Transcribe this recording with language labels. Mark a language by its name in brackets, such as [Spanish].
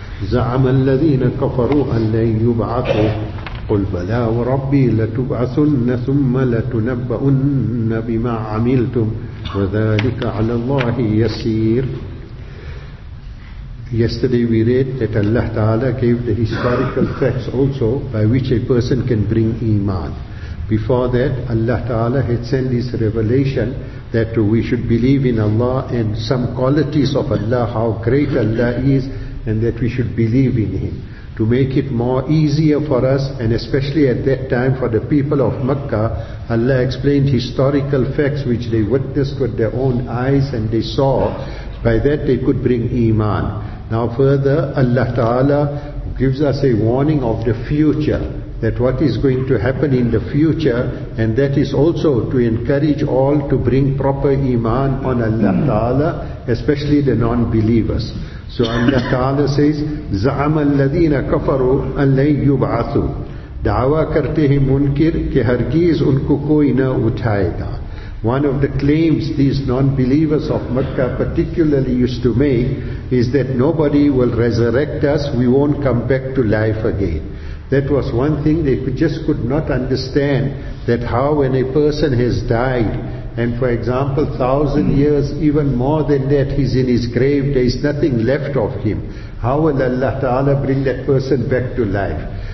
[Arabic] زعم الذين كفروا أن لن يبعثوا قل بلى وربي لتبعثن ثم لتنبؤن بما عملتم وذلك على الله يسير. [English] Yesterday we read that Allah Ta'ala gave the historical facts also by which a person can bring Iman. Before that, Allah Ta'ala had sent his revelation that we should believe in Allah and some qualities of Allah, how great Allah is, and that we should believe in Him. To make it more easier for us, and especially at that time for the people of Makkah, Allah explained historical facts which they witnessed with their own eyes and they saw. By that they could bring Iman. Now further, Allah Ta'ala gives us a warning of the future, that what is going to happen in the future, and that is also to encourage all to bring proper Iman on Allah Ta'ala, especially the non-believers. So Allah Ta'ala says, [Arabic] زَعَمَ الَّذِينَ كَفَرُوا أَنْ لَنْ يُبْعَثُوا. [Urdu] دعوی کرتے ہیں منکر کہ ہرگیز ان کو کوئی نہ اٹھائے گا. [English] One of the claims these non-believers of Mecca particularly used to make is that nobody will resurrect us, we won't come back to life again. That was one thing they just could not understand, that how when a person has died, and for example 1,000 years, even more than that, he's in his grave, there is nothing left of him, how will Allah Ta'ala bring that person back to life?